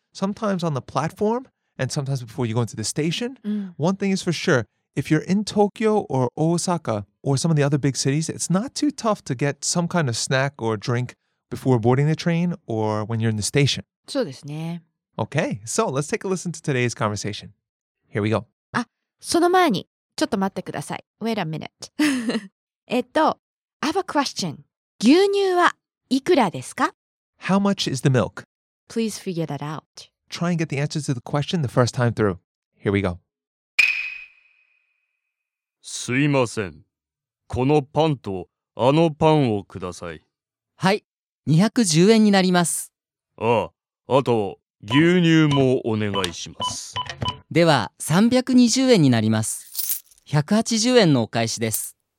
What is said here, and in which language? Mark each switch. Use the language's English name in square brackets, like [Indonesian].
[English] Sometimes on the platform and sometimes before you go into the station.、 Mm. One thing is for sure, if you're in Tokyo or Osaka or some of the other big cities, it's not too tough to get some kind of snack or drink. Before boarding the train or when you're in the station. [Japanese] そうですね。 [English] Okay, so let's take a listen to today's conversation. Here we go. [Japanese] あ、その前に、ちょっと待ってください。 [English] Wait a minute. I have a question. [Japanese] 牛乳はいくらですか? [English] How much is the milk? Please figure that out. Try and get the answers to the question the first time through. Here we go. [Japanese] すいません。このパンとあのパンをください。はい。210円になります。ああ、あと牛乳もお願いします。では320円になります。180円のお返しです。